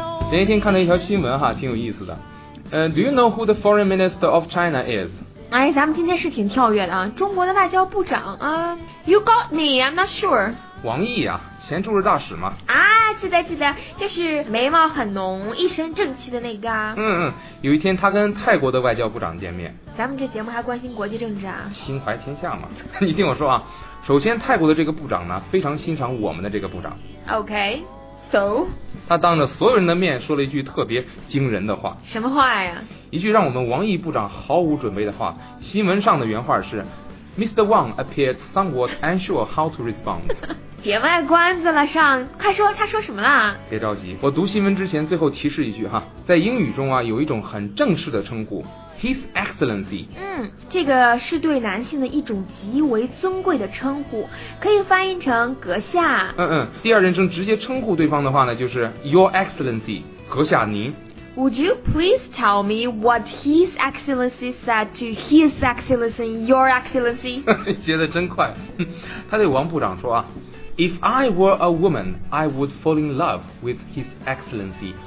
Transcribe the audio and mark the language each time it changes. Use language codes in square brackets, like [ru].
[zh] 前一天看到一条新闻哈，挺有意思的。 [en] Do you know who the foreign minister of China is? [zh] 哎，咱们今天是挺跳跃的啊，中国的外交部长啊。 You got me, I'm not sure. 王毅啊，前驻日大使嘛。啊，记得，就是眉毛很浓，一身正气的那个啊。有一天他跟泰国的外交部长见面。咱们这节目还关心国际政治啊。心怀天下嘛，你听我说啊，首先泰国的这个部长呢，非常欣赏我们的这个部长。 [en] Okay. So, [zh] 他当着所有人的面说了一句特别惊人的话。什么话呀？一句让我们王毅部长毫无准备的话。新闻上的原话是 [en] Mr. Wang appeared somewhat unsure how to respond. [zh] 别卖关子了，上，快说他说什么了。别着急，我读新闻之前最后提示一句哈，在英语中啊，有一种很正式的称呼His Excellency。这个是对男性的一种极为尊贵的称呼，可以翻译成阁下。第二人称直接称呼对方的话呢，就是 [en] Your Excellency， [zh] 阁下您。 [en] Would you please tell me what His Excellency said to His Excellency, Your Excellency? [zh] 接得真快，他对王部长说啊 [en] ，If I were a woman, I would fall in love with His Excellency。